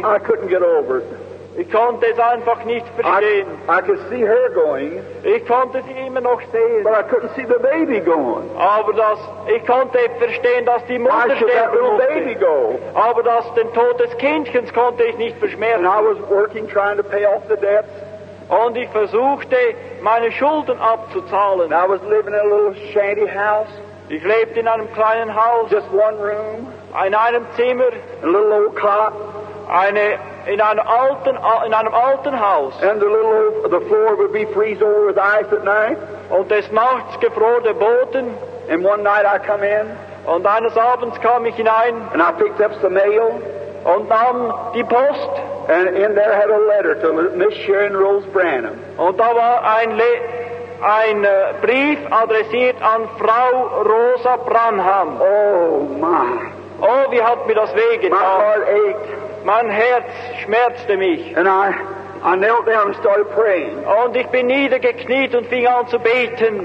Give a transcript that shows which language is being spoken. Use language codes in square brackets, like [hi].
[en] I couldn't get over it. [de] Ich konnte es einfach nicht verstehen. [en] I could see her going. [de] Ich konnte sie immer noch sehen. [en] But I couldn't see the baby going. [de] Aber ich konnte verstehen, dass die Mutter sterben musste. [en] Baby go? [de] Aber dass den Tod des Kindchens konnte ich nicht verschmerzen. [en] And I was working, trying to pay off the debts. [de] Und ich versuchte, meine Schulden abzuzahlen. [en] And I was living in a little shanty house. [de] Ich lebte in einem kleinen Haus. [en] Just one room. [de] In einem Zimmer. [en] A little old cot. [de] In einem alten Haus. [en] And the floor would be freezing over with ice at night. [de] Und des Nachts gefroren der Boden. [en] And one night I come in. [de] Und eines Abends kam ich hinein. [en] And I picked up some mail. [de] Und nahm die Post. [en] And in there had a letter to Miss Sharon Rose Branham. [de] Und da war ein Brief adressiert an Frau Rosa Branham. [en] Oh my. [de] Oh, wie hat mir das weh getan. [en] My heart ached. [de] Mein Herz schmerzte mich. [en] And I I knelt down and started praying. [de] Und ich bin niedergekniet und fing an zu beten.